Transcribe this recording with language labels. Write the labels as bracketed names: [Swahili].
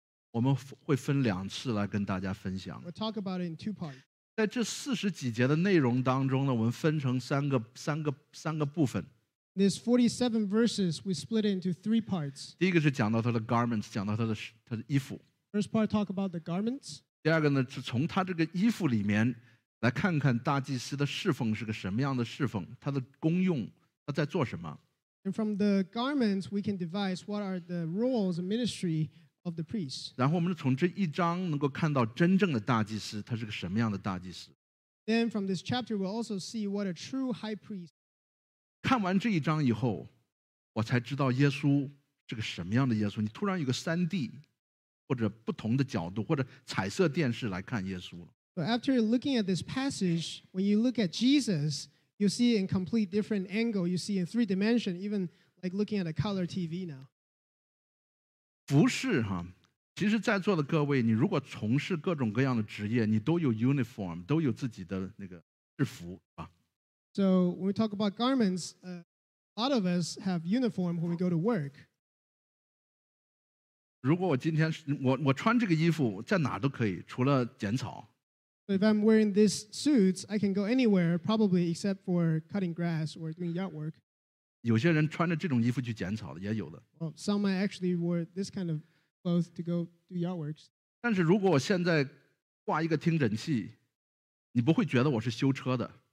[Chinese] 我们会分两次来跟大家分享。 [English] We'll talk about it in two parts. [Chinese] 在这40几节的内容当中呢, 我们分成三个部分。 [English] These 47 verses, we split it into three parts. [Chinese] 第一个是讲到他的garments, 讲到他的衣服。 [English] First part talk about the garments. [Chinese] 第二个呢, 是从他这个衣服里面, 来看看大祭司的侍奉是个什么样的侍奉, 他的功用, 他在做什么。 [English] And from the garments, we can devise what are the roles and ministry of the priest. [Chinese] 然后我们从这一章能够看到真正的大祭司, 他是个什么样的大祭司。 [English] Then from this chapter, we'll also see what a true high priest. [Chinese] 看完这一章以后, 我才知道耶稣是个什么样的耶稣, 你突然有个3D, 或者不同的角度, 或者彩色电视来看耶稣了。 [English] But after looking at this passage, when you look at Jesus, you see in complete different angle, you see in three dimension, even like looking at a color TV now. [Chinese] 服饰哈, 其实在座的各位, 你如果从事各种各样的职业, 你都有uniform, 都有自己的那个制服, 啊。 [English] So when we talk about garments, a lot of us have uniform when we go to work. [Chinese] 如果我今天我穿这个衣服, 在哪都可以, 除了剪草。 [English] But if I'm wearing these suits, I can go anywhere, probably except for cutting grass or doing yard work. [Chinese] 有些人穿着这种衣服去剪草的, 也有的。 [English] Well, some might actually wear this kind of clothes to go do yard works. [Chinese] 但是如果我现在挂一个听诊器, 你不会觉得我是修车的。